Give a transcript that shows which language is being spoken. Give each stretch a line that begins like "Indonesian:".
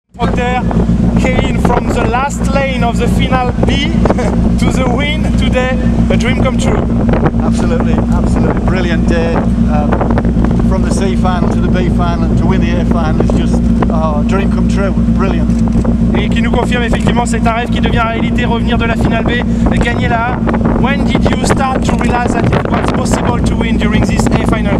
English: Procter came from the last lane of the final B to the win today, a dream come true. Absolutely, absolutely brilliant day. From the C final to the B final and to win the A final is just dream come true, brilliant.
French: Et qui nous confirme effectivement c'est un rêve qui devient réalité, revenir de la finale B et gagner la A.
English: When did you start to realize that it was possible to win during this A final?